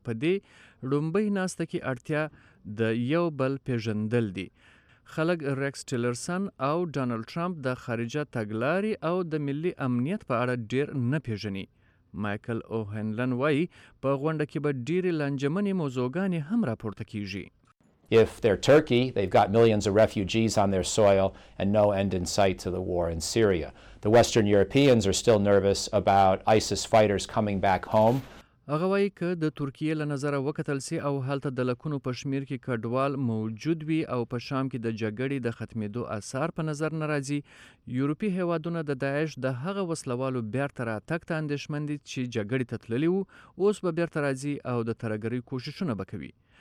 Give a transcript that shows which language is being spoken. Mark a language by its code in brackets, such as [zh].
[ps] په دې لومبۍ ناسته کې اړتیا د یو بل پیژندل دي. خلک ریکس ټیلرسن او ډونالډ ټرمپ د خارجه تګلارې او د ملي امنیت په اړه ډېر نه پیژني. مایکل اوهنلن وایي په غونډه کې به ډېرې لنجمنې موضوعګانې هم راپورته کیږي. [en] If they're Turkey, they've got millions of refugees on their soil and no end in sight to the war in Syria. The Western Europeans are still nervous about ISIS fighters coming back home. [ps] هغه وایي که د ترکیې له نظره وکتل سي او هلته د لکونو په شمیر کې کډوال موجود وي او په شام کې د جګړې د ختمېدو آثار په نظر نه راځي، یورپي هیوادونه د داعش د هغه وسلوالو بیرته راتګ ته اندېښمن دي چې جګړې ته تللي وو، اوس به بیرته راځي او د ترهګرۍ کوششونه به کوي.